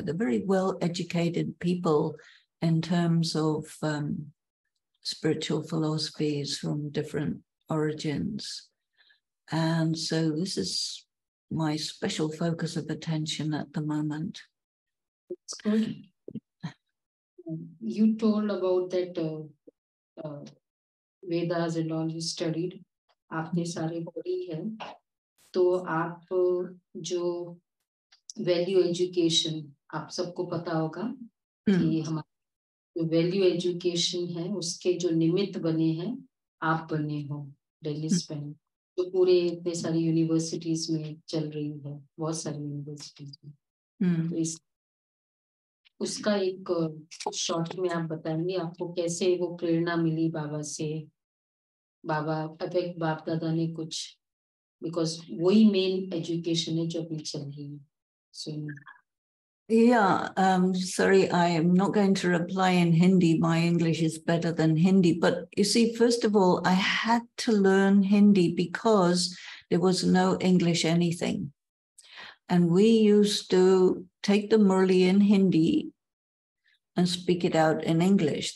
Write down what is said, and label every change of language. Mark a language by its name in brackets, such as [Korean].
[English] They're very well-educated people in terms of spiritual philosophies from different origins. And so this is my special focus of attention at the moment. It's good. You told about that Vedas and all you studied. [Hindi] आपने सारे पढ़ी है तो आप जो value education आप सबको पता होगा कि हमारे वैल्यू एजुकेशन है उसके जो निमित्त बने हैं आप बने हो दिल्ली स्पेन जो पूरे इतने सारे यूनिवर्सिटीज में चल रही है बहुत सारी यूनिवर्सिटीज में तो इस उसका एक शॉर्ट में आप बताएंगे आपको कैसे वो प्रेरणा मिली बाबा से बाबा अवेक्ट बाप दादा ने कुछ बिकॉज वही मेन एजुकेशन है जो अभी चल रही है [English] Yeah, sorry, I am not going to reply in Hindi. My English is better than Hindi. But you see, first of all, I had to learn Hindi because there was no English anything. And we used to take the Murli in Hindi and speak it out in English.